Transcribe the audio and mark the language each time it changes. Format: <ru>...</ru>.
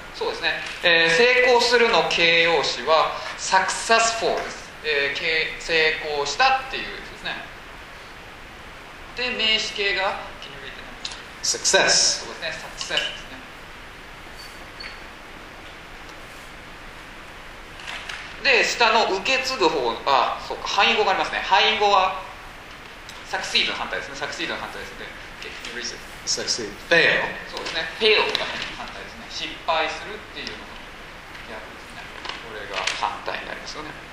<ja>そうですね、成功するの形容詞は successful です、成功したっていうですね。で、名詞形が</ja> <en>can you read the number? Success.</en> <ja>そうですね、success ですね。で、下の受け継ぐ方、あ、そうか、範囲語がありますね。範囲語は succeed の反対ですね。succeed の反対ですね。</ja> <en>Okay, can you read it? Fail.</en> <ja>そうですね、 Fail が反対ですね。失敗するっていうのがですね、これが反対になりますよね。</ja>